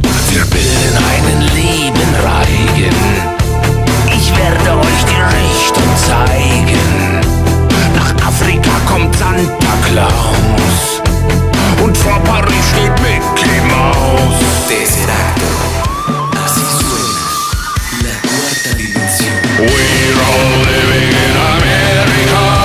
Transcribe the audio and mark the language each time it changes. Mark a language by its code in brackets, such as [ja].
[de] Wir bilden einen lieben Reigen. Ich werde euch die Richtung zeigen. Nach Afrika kommt Santa Claus. Und vor Paris steht Mickey Maus. [es] Desiderato, así suena la cuarta dimensión. [en] We're all living in America.